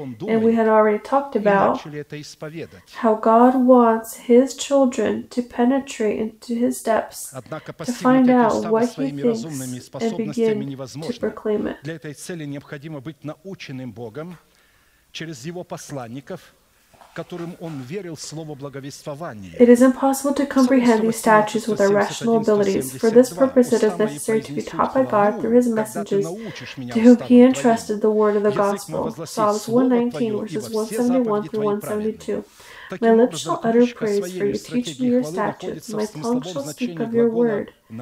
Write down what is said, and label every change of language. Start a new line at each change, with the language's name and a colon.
English: And we had already talked about how God wants His children to penetrate into His depths to find out what He thinks and begin to proclaim it.
Russian: Для этой цели необходимо быть наученным Богом через Его посланников, которым он верил слово благовествования.
English: It is impossible to comprehend these statutes with our rational abilities. For this purpose, it is necessary to be taught by God through His messengers, to whom He entrusted the word of the gospel. Psalms 119, verses 171 through 172. My lips shall utter praise for you. Teach me your statutes. My tongue shall speak of your word.